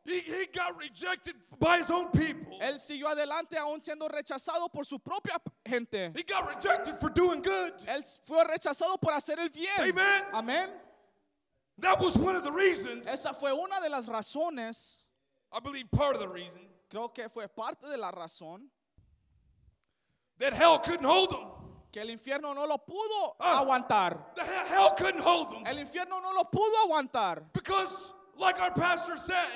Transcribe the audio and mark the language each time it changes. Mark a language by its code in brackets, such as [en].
[en] He got rejected by his own people. [es] Él siguió adelante aún siendo rechazado por su propia gente. [en] He got rejected for doing good. [es] Él fue rechazado por hacer el bien. [en] Amen. [es] Amen. [en] That was one of the reasons. [es] Esa fue una de las razones. [en] I believe part of the reason. [es] Creo que fue parte de la razón. [en] That hell couldn't hold them. [es] Que el infierno no lo pudo aguantar. [en] Hell couldn't hold them. [es] El infierno no lo pudo aguantar. [en] Because like our pastor said.